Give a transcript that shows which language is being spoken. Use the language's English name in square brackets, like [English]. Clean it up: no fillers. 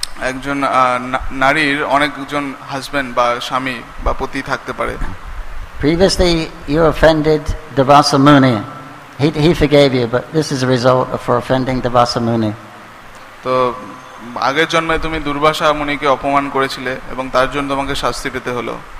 [Bangla] একজন নারীর অনেকজন হাজবেন্ড বা স্বামী বা পতি থাকতে পারে. [English] Previously you offended Devasa Muni. He forgave you, but this is a result for offending Devasa Muni. [Bangla] তো আগের জন্মে তুমি দুর্বাসা মুনিকে অপমান করেছিলে এবং তার জন্য তোমাকে শাস্তি পেতে হলো.